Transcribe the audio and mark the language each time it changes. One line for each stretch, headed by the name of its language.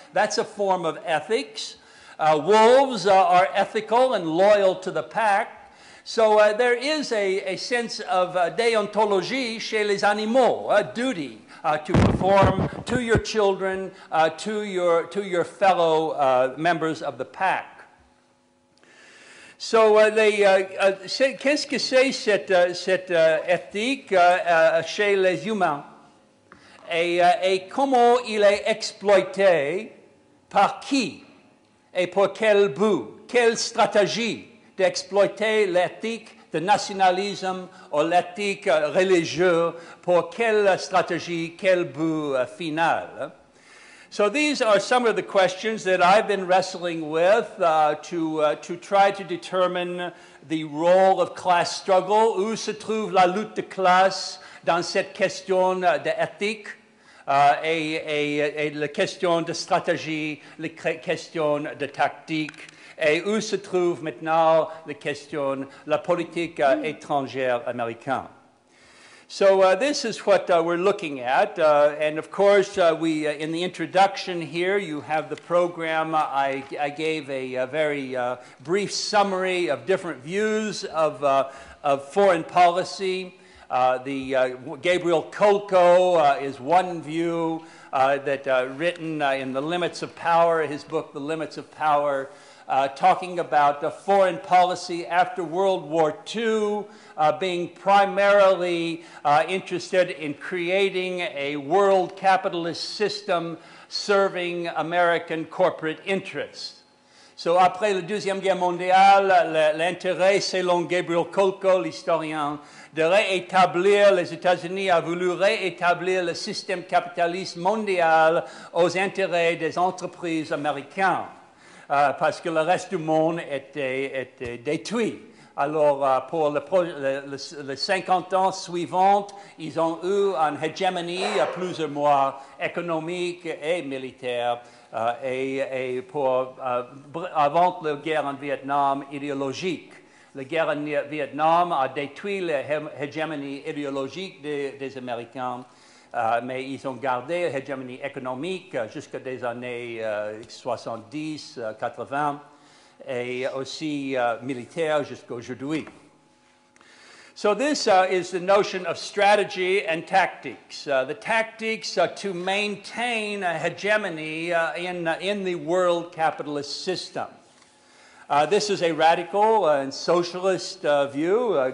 English: That's a form of ethics. Wolves are ethical and loyal to the pack. So there is a sense of
French: déontologie chez les animaux,
English: a duty. To perform to your children, to your fellow members of the pack.
French: So, qu'est-ce que c'est cette éthique chez les humains? Et comment il est exploité? Par qui? Et pour quel but? Quelle stratégie d'exploiter l'éthique?
English: The nationalism or
French: l'éthique religieux, pour quelle stratégie, quel but final?
English: So these are some of the questions that I've been wrestling with to try to determine the role of class struggle.
French: Où se trouve la lutte de classe dans cette question d'éthique et la question de stratégie, la question de tactique? Et où se trouve maintenant la question, la politique étrangère américaine?
English: So this is what we're looking at. And of course, in the introduction here, you have the program. I gave a very brief summary of different views of foreign policy. Gabriel Kolko is one view written in The Limits of Power, his book, The Limits of Power, talking about the foreign policy after World War II, being primarily interested in creating a world capitalist system serving American corporate interests.
French: So après la Deuxième Guerre mondiale, l'intérêt, selon Gabriel Kolko, l'historien, de réétablir, les États-Unis a voulu réétablir le système capitaliste mondial aux intérêts des entreprises américaines. Parce que le reste du monde était détruit. Alors, pour les 50 ans suivants, ils ont eu une hégémonie à plusieurs mois, économique et militaire, et pour, avant la guerre en Vietnam, idéologique. La guerre en Vietnam a détruit la hégémonie idéologique des Américains, mais ils ont gardé l'hégémonie économique jusqu'à des années 70-80 et aussi militaire jusqu'à aujourd'hui.
English: So this is the notion of strategy and tactics. The tactics are to maintain a hegemony in the world capitalist system. This is a radical and socialist view.